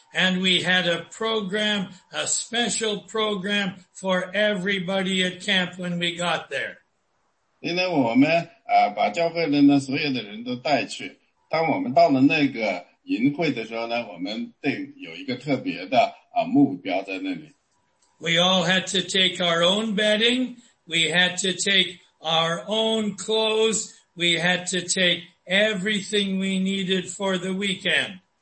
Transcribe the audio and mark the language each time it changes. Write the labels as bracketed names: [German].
[English] And we had a program, a special program for everybody at camp when we got there. [Chinese] 因为我们把教会的所有的人都带去，当我们到了那个营会的时候呢，我们对有一个特别的目标在那里。We [English] all had to take our own bedding, we had to take our own clothes, we had to take everything we needed for the weekend.